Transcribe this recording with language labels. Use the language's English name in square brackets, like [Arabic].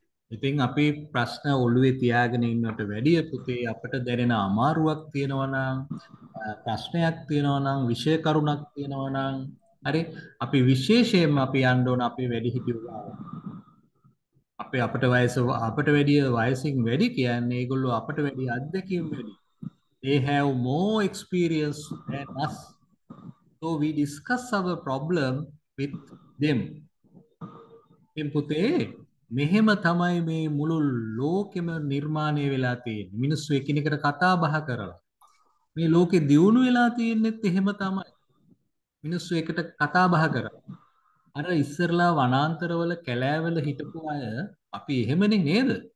[Sinhala] ඉතින් අපි ප්‍රශ්න ඔළුවේ තියාගෙන ඉන්නට වැඩිය පුතේ අපට දැනෙන අමාරුවක් තියෙනවා නම් ප්‍රශ්නයක් තියෙනවා නම් විෂය කරුණක් තියෙනවා නම් හරි අපි විශේෂයෙන්ම අපි යන්න ඕන අපි වැඩිහිටියෝ අපි අපට වයස අපට වැඩිය වයසින් වැඩි කියන්නේ ඒගොල්ලෝ අපට වැඩි අත්දැකීම් වැඩි. [English] They have more experience than us. So we discuss our problem with them. [Sinhala] එම් පුතේ මෙහෙම තමයි මේ මුළු ලෝකෙම නිර්මාණය වෙලා තියෙන්නේ. මිනිස්සු එකිනෙකට කතා බහ කරලා. මේ ලෝකෙ දියුණු වෙලා තියෙන්නෙත් එහෙම තමයි. මිනිස්සු එකට කතා බහ කරලා. අර ඉස්සරලා වනාන්තරවල කැලෑවල හිටපු අය අපි එහෙමනේ නේද?